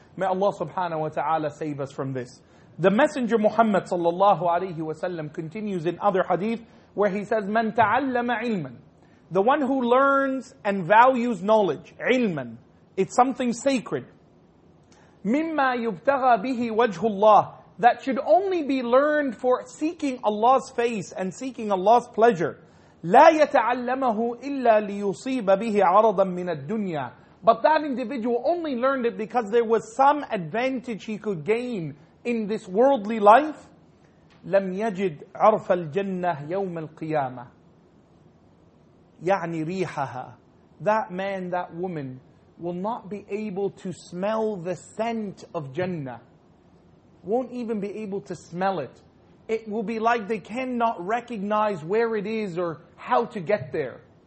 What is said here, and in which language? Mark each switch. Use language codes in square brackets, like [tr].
[en] May Allah subhanahu wa ta'ala save us from this. The Messenger Muhammad sallallahu alayhi wa sallam continues in other hadith where he says, [ar] مَنْ تَعَلَّمَ عِلْمًا. [en] The one who learns and values knowledge, عِلْمًا. It's something sacred. [ar] مِمَّا يُبْتَغَى بِهِ وَجْهُ اللَّهِ. [en] That should only be learned for seeking Allah's face and seeking Allah's pleasure. [ar] لا يتعلمه إلا ليصيب به عرضا من الدنيا. [en] But that individual only learned it because there was some advantage he could gain in this worldly life. [ar] لم يجد عرف الجنة يوم القيامة. يعني ريحها. [en] That man, that woman will not be able to smell the scent of Jannah. Won't even be able to smell it. It will be like they cannot recognize where it is or how to get there.